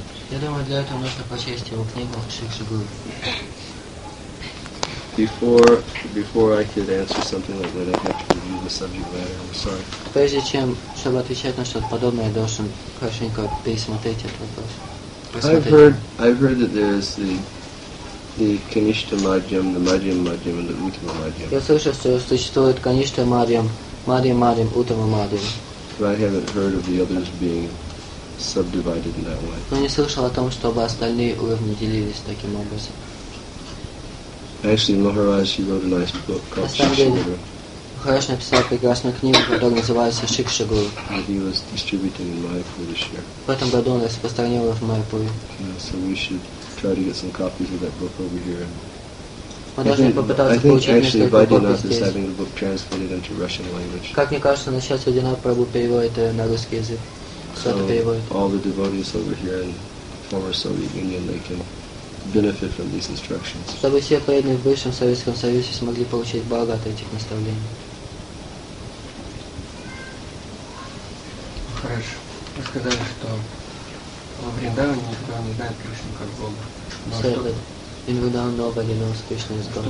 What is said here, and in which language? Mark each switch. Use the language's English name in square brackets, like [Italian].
[Russian] Я думаю, для этого нужно прочесть его книгу Шикшигуру. [English] Before I could answer something like that, I have to review the subject matter. I'm sorry. [Russian] Прежде чем, чтобы отвечать на что-то подобное, я должен хорошенько пересмотреть этот вопрос. [English] I've heard that there's the Kanishta Madhyam, the Madhyam Madhyam, and the Uttama Madhyam. [Russian] Я слышал, что существует Kanishta Madhyam, Madhyam Madhyam, Uttama Madhyam. [English] But I haven't heard of the others being subdivided in that way. [Russian] Но не слышал о том, чтобы остальные уровни делились таким образом. [English] Actually, Maharaj, he wrote a nice book called Shikshaguru. [Russian] Maharaj написал прекрасную книгу, которая называется Шикшагуру. [English] And he was distributing in Майяпур this year. [Russian] В этом году он распространил в Майяпуре. [English] So we should try to get some copies of that book over here. [Russian] Мы должны попытаться получить несколько копий здесь. [English] I think actually Vaidyanath is having the book translated into Russian language. [Russian] Как мне кажется, сейчас Вайдьянатх Прабху переводит на русский язык. Кто-то переводит. [English] All the devotees over here in former Soviet Union, they can benefit from these instructions. [Russian] Чтобы все преданные в бывшем Советском Союзе смогли получить благо от этих наставлений. Хорошо. Вы сказали, что во Вриндаване никто не знает Кришну как Бога. Но